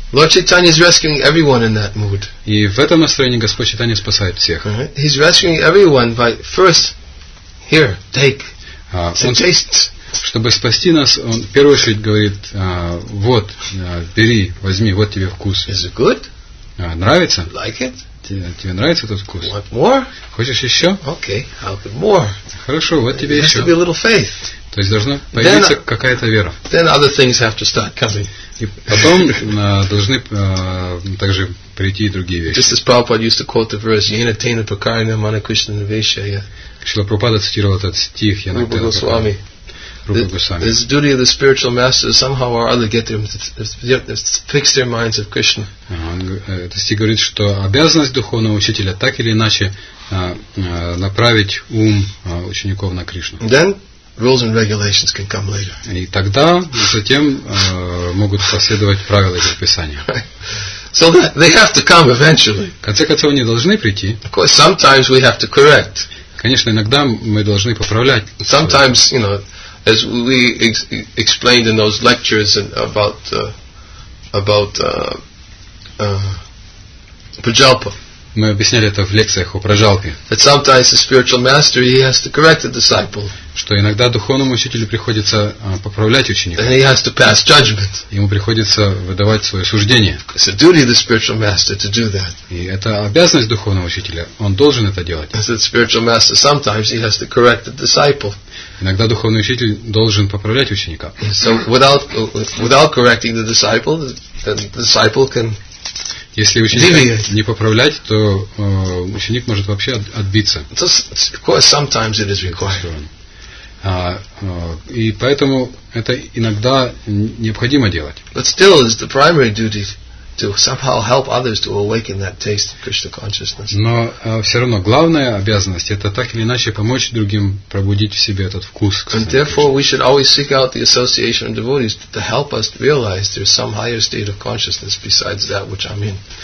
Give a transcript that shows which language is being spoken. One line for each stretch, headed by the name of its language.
English: Lord Chaitanya is rescuing everyone in that mood.
Russian: И в этом настроении Господь Чайтанья спасает всех.
English: Uh-huh. He's rescuing everyone by first, here, take, taste.
Russian: Чтобы спасти нас, он в первую очередь говорит, вот, бери, возьми, вот тебе вкус.
English: Is it good?
Russian: Нравится?
English: Like it?
Russian: Тебе нравится этот вкус?
English: Want more?
Russian: Хочешь еще?
English: Okay, I'll get more.
Russian: Хорошо, вот тебе еще.
English: There has to be a little faith.
Russian: То есть должна появиться какая-то вера.
English: Then other things have to start coming.
Russian: И потом должны также прийти и другие вещи.
English: Just as Prabhupada used to quote the verse,
Sanskrit: "Yena tena pakarena mana krishna navesha."
Russian: Шрила Прабхупада цитировал этот стих. Рупа Госвами.
English: It's the duty of the spiritual master somehow or other get them to fix their minds of Krishna.
Russian: То есть говорит, что обязанность духовного учителя так или иначе направить ум учеников на Кришну.
English: Then rules and regulations can come later.
Russian: И тогда затем могут последовать правила и предписания.
English: So they have to come eventually.
Russian: В конце концов они должны прийти.
English: Of course, sometimes we have to correct.
Russian: Конечно, иногда мы должны поправлять.
English: Sometimes, you know, as we explained in those lectures about prajalpa.
Russian: Мы объясняли это в лекциях о прожалпе.
English: That sometimes the spiritual master he has to correct the disciple.
Russian: Что иногда духовному учителю приходится поправлять ученика.
English: And he has to pass judgment.
Russian: Ему приходится выдавать свое суждение.
English: It's the duty of the spiritual master to do that.
Russian: И это обязанность духовного учителя. Он должен это делать.
English: As the spiritual master, sometimes he has to correct the disciple.
Russian: Иногда духовный учитель должен поправлять ученика.
English: So without correcting the disciple, the disciple can.
Russian: Если ученика не поправлять, то ученик может вообще отбиться.
English: Of course, sometimes it is required.
Russian: И поэтому это иногда необходимо делать.
English: But still, it's the primary duty to somehow help others to awaken that taste of Krishna consciousness.
Russian: Но все равно главная обязанность это так или иначе помочь другим пробудить в себе этот вкус.
English: And therefore, we should always seek out the association of devotees to help us realize there's some higher state of consciousness besides that which I'm in.